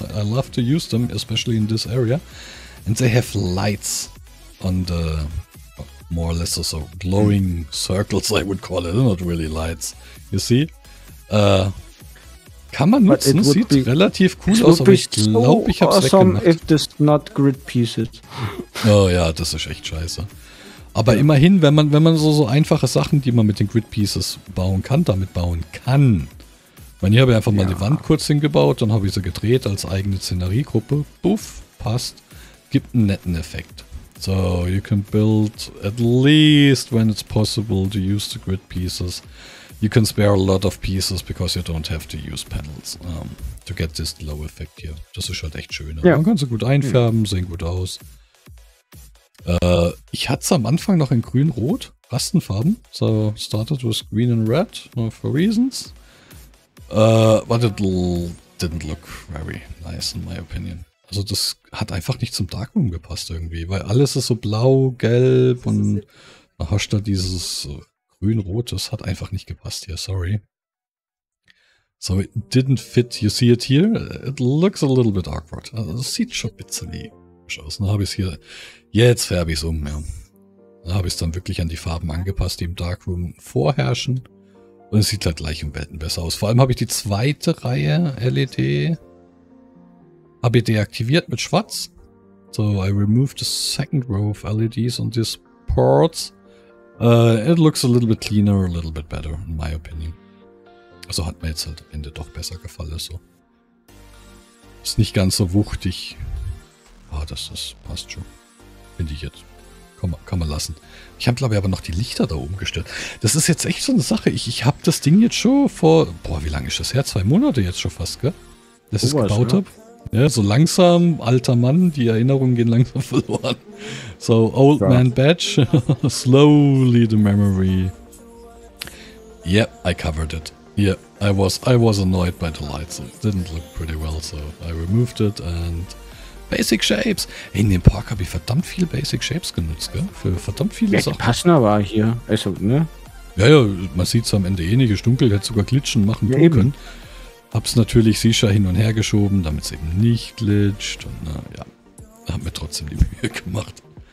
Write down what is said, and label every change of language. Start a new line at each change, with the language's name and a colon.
English: I love to use them, especially in this area. And they have lights on the more or less so glowing circles, I would call it. They're not really lights. You see?
German: Kann man nutzen, sieht relativ cool aus, aber ich glaube, ich habe es weggemacht.
English: If this not grid pieces.
German: Oh ja, das ist echt scheiße. Aber immerhin, wenn man so einfache Sachen, die man mit den Grid Pieces bauen kann, damit bauen kann. Ich meine, hier habe ich einfach mal die Wand kurz hingebaut, dann habe ich sie gedreht als eigene Szeneriegruppe. Buff, passt. Gibt einen netten Effekt.
English: So, you can build at least when it's possible to use the grid pieces. You can spare a lot of pieces because you don't have to use panels to get this glow effect here.
German: Das ist halt echt schön. Ja. Man kann sie gut einfärben, sehen gut aus. Ich hatte es am Anfang noch in grün-rot, Rastenfarben.
English: So, started with green and red for reasons. But it didn't look very nice in my opinion.
German: Also das hat einfach nicht zum Darkroom gepasst irgendwie, weil alles ist so blau, gelb und da hast du dieses grün-rot, das hat einfach nicht gepasst hier, sorry.
English: So it didn't fit, you see it here? It looks a little bit awkward.
German: Also das sieht schon ein bisschen komisch aus. Dann habe ich es hier, jetzt färbe ich es um. Ja. Dann habe ich es dann wirklich an die Farben angepasst, die im Darkroom vorherrschen. Und es sieht halt gleich um Welten besser aus. Vor allem habe ich die zweite Reihe LED habe ich deaktiviert mit Schwarz. So, I removed the second row of LEDs on these ports. It looks a little bit cleaner, a little bit better, in my opinion. Also hat mir jetzt halt am Ende doch besser gefallen. So. Ist nicht ganz so wuchtig. Ah, das passt schon. Finde ich jetzt. Kann man lassen. Ich habe, glaube ich, aber noch die Lichter da oben gestellt. Das ist jetzt echt so eine Sache. Ich habe das Ding jetzt schon vor... Boah, wie lange ist das her? 2 Monate jetzt schon fast, gell? Dass ich es gebaut habe. Ja, so langsam, alter Mann, die Erinnerungen gehen langsam verloren.
English: So, old man badge. Slowly the memory. Yeah, I covered it. Yeah, I was annoyed by the lights. It didn't look pretty well, so I removed it and... Basic Shapes.
German: In dem Park habe ich verdammt viele Basic Shapes genutzt, gell? Für verdammt viele Sachen. Die passen aber hier. Also, ne? Ja, man sieht es am Ende eh nicht. Ist dunkel, hätte sogar glitschen machen können. Hab's natürlich sicher hin und her geschoben, damit es eben nicht glitscht. Und naja, haben wir trotzdem die Mühe gemacht.